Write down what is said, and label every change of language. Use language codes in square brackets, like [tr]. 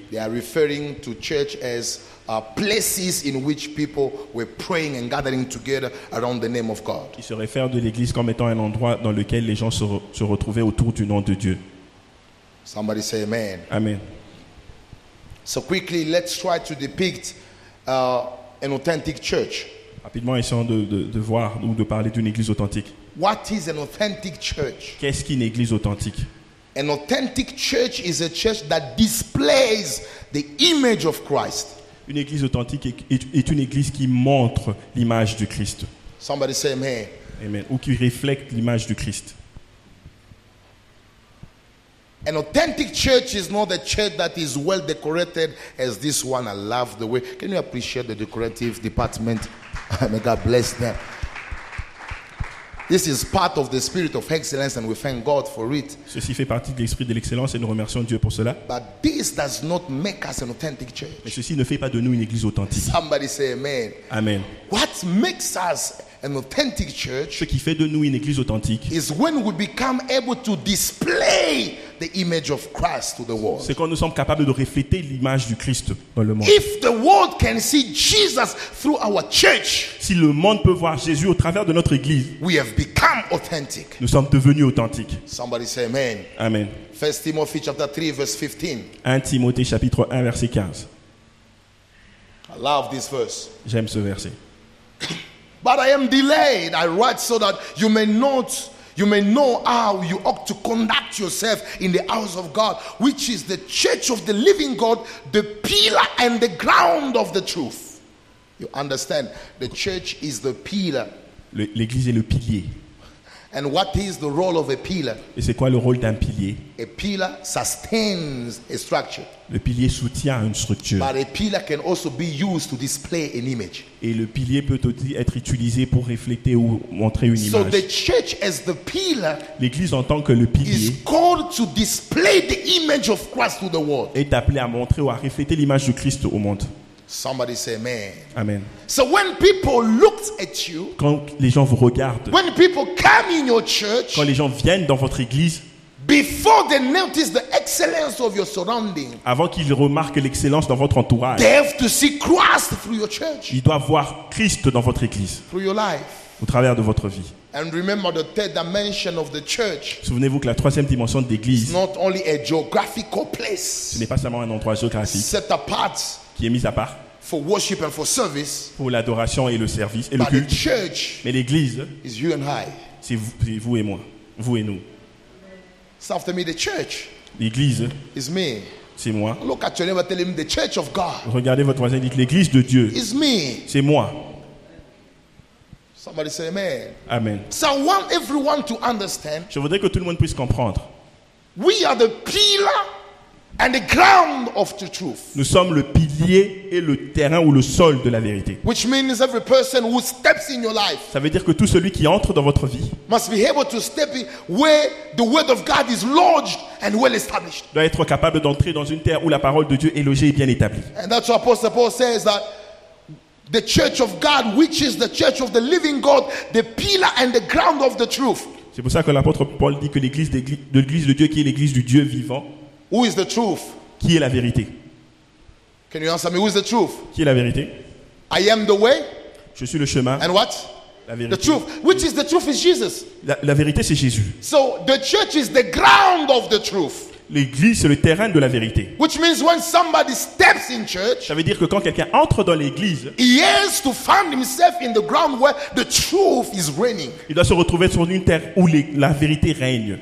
[en] They are referring to church as places in which people were praying and gathering together around the name of God. [fr] Il se réfère de l'église comme étant un endroit dans lequel les gens se retrouvaient autour du nom de Dieu. [en] Somebody say amen. Amen. So quickly, let's try to depict an authentic church. [fr] Rapidement, essayons de voir ou de parler d'une église authentique. [en] What is an authentic church? [fr] Qu'est-ce qu'une église authentique? [en] An authentic church is a church that displays the image of Christ. [fr] Une église authentique est une église qui montre l'image du Christ. [en] Somebody say amen. Amen. [fr] Ou qui reflète l'image du Christ. [en] An authentic church is not a church that is well decorated as this one. I love the way. Can you appreciate the decorative department? May God bless them. This is part of the spirit of excellence, and we thank God for it. [fr] Ceci fait partie de l'esprit de l'excellence, et nous remercions Dieu pour cela. [en] But this does not make us an authentic church. [fr] Mais ceci ne fait pas de nous une église authentique. [en] Somebody say amen. Amen. What makes us an authentic church? [fr] Ce qui fait de nous une église authentique [en] is when we become able to display the image of Christ to the world. [fr] C'est quand nous sommes capables de refléter l'image du Christ dans le monde. [en] If the world can see Jesus through our church, [fr] si le monde peut voir Jésus au travers de notre église, [en] we have become authentic. [fr] Nous sommes devenus authentiques. [en] Somebody say amen. Amen. [fr] 1 Timothée chapitre 3 verset 15. 1 Timothée chapitre 1 verset 15. [en] I love this verse. [fr] J'aime ce verset. [en] But I am delayed. I write so that you may know how you ought to conduct yourself in the house of God, which is the church of the living God, the pillar and the ground of the truth. You understand? The church is the pillar. [fr] L'église est le pilier. [en] And what is the role of a pillar? [fr] Et c'est quoi le rôle d'un pilier? [en] A pillar sustains a structure. [fr] Le pilier soutient une structure. [en] But a pillar can also be used to display an image. [fr] Et le pilier peut aussi être utilisé pour refléter ou montrer une image. [en] So the church as the pillar, [fr] l'église en tant que le pilier, [en] is called to display the image of Christ to the world. [fr] Est appelée à montrer ou à refléter l'image de Christ au monde. [en] Somebody say amen. Amen. So when people look at you, [fr] quand les gens vous regardent, [en] when people come in your church, [fr] quand les gens viennent dans votre église, [en] before they notice the excellence of your surrounding, [fr] avant qu'ils remarquent l'excellence dans votre entourage, [en] they have to see Christ through your church. [fr] Ils doivent voir Christ dans votre église, [en] through your life, [fr] au travers de votre vie. [en] And remember the third dimension of the church. [fr] Souvenez-vous que la troisième dimension de l'église, [en] not only a geographical place, [fr] ce n'est pas seulement un endroit géographique, [en] set apart, [fr] qui est mise à part [en] for worship and for service, [fr] pour l'adoration et le service et [en] but [fr] le culte. [en] The church, [fr] mais l'église, [en] is you and I. [fr] C'est vous et moi, vous et nous. [en] So after me, the church, [fr] l'église, [en] is me. [fr] C'est moi. [en] Look at your neighbor, tell him the church of God. [fr] Regardez votre voisin, dites l'église de Dieu. [en] Is me. [fr] C'est moi. [en] Somebody say amen. Amen. So I want everyone to understand. [fr] Je voudrais que tout le monde puisse comprendre. [en] We are the pillar and the ground of the truth. [fr] Nous sommes le pilier et le terrain ou le sol de la vérité. [en] Which means every person who steps in your life. [fr] Ça veut dire que tout celui qui entre dans votre vie [en] must be able to step in where the word of God is lodged and well established. [fr] Doit être capable d'entrer dans une terre où la parole de Dieu est logée et bien établie. [en] And that's what Apostle Paul says that the church of God, which is the church of the living God, the pillar and the ground of the truth. [fr] C'est pour ça que l'apôtre Paul dit que l'église de Dieu, qui est l'église du Dieu vivant. [en] Who is the truth? [fr] Qui est la vérité? [en] Can you answer me? Who is the truth? [fr] Qui est la vérité? [en] I am the way. [fr] Je suis le chemin. [en] And what? [fr] La vérité. [en] The truth. Which is the truth is Jesus. [fr] La vérité c'est Jésus. [en] So the church is the ground of the truth. [fr] L'église c'est le terrain de la vérité. [en] Which means when somebody steps in church, [fr] ça veut dire que quand quelqu'un entre dans l'église, [en] he has to find himself in the ground where the truth is reigning. [fr] Il doit se retrouver sur une terre où la vérité règne.